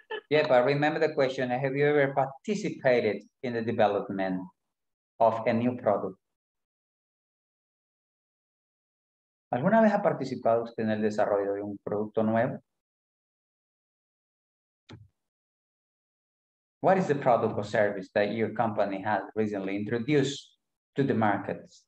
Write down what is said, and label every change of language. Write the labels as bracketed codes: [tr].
[en] Yeah, but remember the question, have you ever participated in the development of a new product? [es] ¿Alguna vez ha participado usted en el desarrollo de un producto nuevo? [en] What is the product or service that your company has recently introduced to the market?